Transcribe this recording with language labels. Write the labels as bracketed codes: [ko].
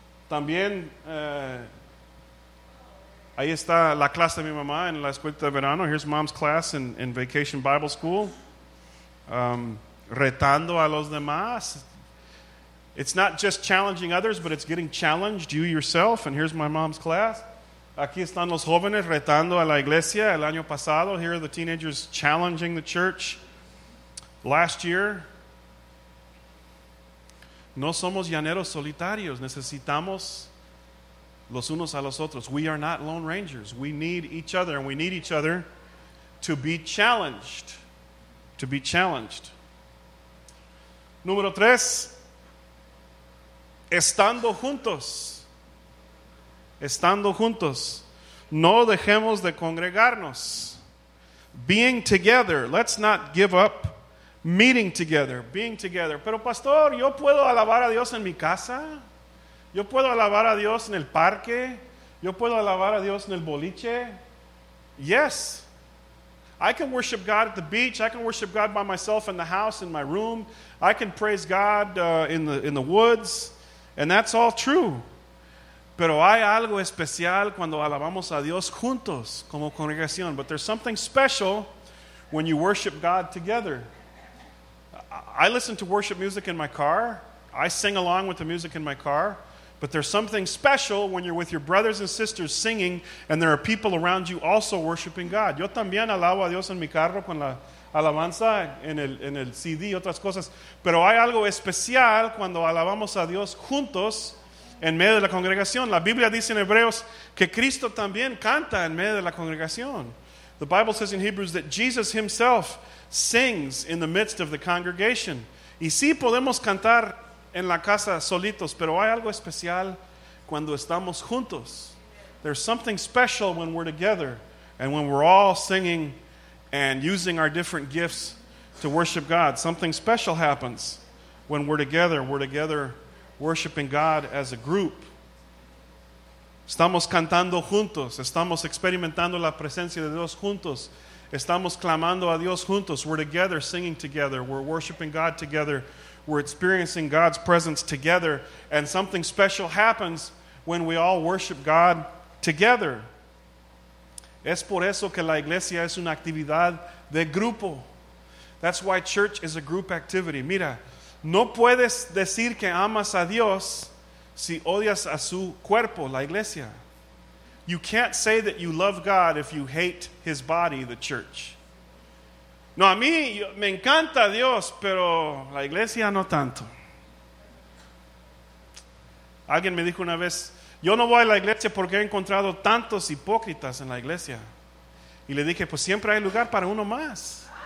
[es] También, ahí está la clase de mi mamá en la escuela de verano. [en] Here's mom's class in Vacation Bible School. [es] Retando a los demás. [en] It's not just challenging others, but it's getting challenged, you yourself. And here's my mom's class. [es] Aquí están los jóvenes retando a la iglesia el año pasado. [en] Here are the teenagers challenging the church last year. [es] No somos llaneros solitarios. Necesitamos los unos a los otros. [en] We are not lone rangers. We need each other, and we need each other to be challenged. To be challenged. [es] Número tres. Estando juntos. Estando juntos. No dejemos de congregarnos. [en] Being together. Let's not give up. Meeting together, being together. [es] Pero pastor, yo puedo alabar a Dios en mi casa. Yo puedo alabar a Dios en el parque. Yo puedo alabar a Dios en el boliche. [en] Yes. I can worship God at the beach. I can worship God by myself in the house, in my room. I can praise God in the woods. And that's all true. Pero hay algo especial cuando alabamos a Dios juntos como congregación. But there's something special when you worship God together. I listen to worship music in my car. I sing along with the music in my car. But there's something special when you're with your brothers and sisters singing and there are people around you also worshiping God. [es] Yo también alabo a Dios en mi carro con la alabanza en el CD y otras cosas. Pero hay algo especial cuando alabamos a Dios juntos en medio de la congregación. La Biblia dice en Hebreos que Cristo también canta en medio de la congregación. [en] The Bible says in Hebrews that Jesus himself sings in the midst of the congregation. [es] Y sí podemos cantar en la casa solitos, pero hay algo especial cuando estamos juntos. [en] There's something special when we're together and when we're all singing and using our different gifts to worship God. Something special happens when we're together. We're together worshiping God as a group. [es] Estamos cantando juntos. Estamos experimentando la presencia de Dios juntos. Estamos clamando a Dios juntos. [en] We're together, singing together. We're worshiping God together. We're experiencing God's presence together. And something special happens when we all worship God together. [es] Es por eso que la iglesia es una actividad de grupo. [en] That's why church is a group activity. [es] Mira, no puedes decir que amas a Dios si odias a su cuerpo, la iglesia. [en] You can't say that you love God if you hate his body, the church. [es] No, a mí me encanta Dios, pero la iglesia no tanto. Alguien me dijo una vez, yo no voy a la iglesia porque he encontrado tantos hipócritas en la iglesia. Y le dije, pues siempre hay lugar para uno más.